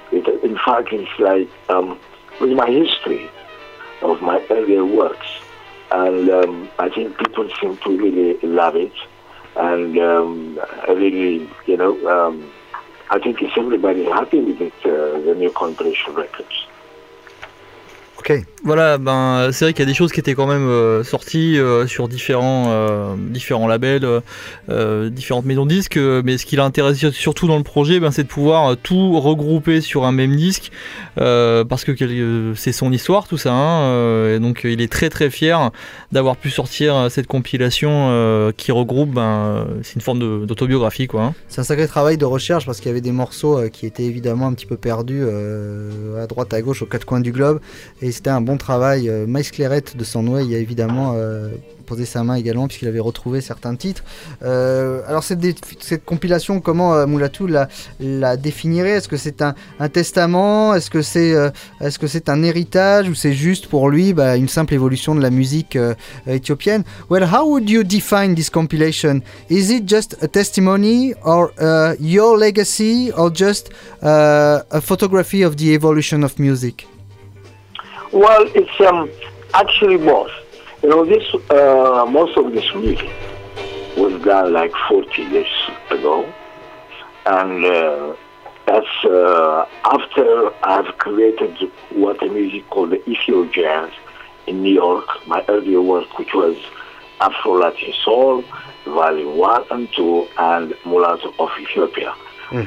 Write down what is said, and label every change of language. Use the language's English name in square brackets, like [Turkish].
[English] It's with my history of my earlier works. And I think people seem to really love it. And I think it's everybody happy with it, the new compilation records. Okay. [French] Voilà, ben c'est vrai qu'il y a des choses qui étaient quand même sorties sur différents labels, différentes maisons de disques, mais ce qui l'intéresse surtout dans le projet, ben c'est de pouvoir tout regrouper sur un même disque, parce que c'est son histoire tout ça, hein, et donc il est très très fier d'avoir pu sortir cette compilation qui regroupe, c'est une forme d'autobiographie quoi. Hein. C'est un sacré travail de recherche parce qu'il y avait des morceaux qui étaient évidemment un petit peu perdus à droite à gauche aux quatre coins du globe, et c'était un bon bon travail. Miles Claret de Sanway, il y a évidemment posé sa main également puisqu'il avait retrouvé certains titres. Alors cette compilation, comment Mulatu la définirait? Est-ce que c'est un testament? Est-ce que c'est un héritage, ou c'est juste pour lui une simple évolution de la musique éthiopienne? [English] Well, how would you define this compilation? Is it just a testimony or your legacy or just a photography of the evolution of music? Well, it's actually both. You know, this most of this music was done like 40 years ago, and that's after I've created what the music called the Ethio Jazz in New York, my earlier work, which was Afro Latin Soul, Volume 1 and 2, and Mulatto of Ethiopia. Mm-hmm.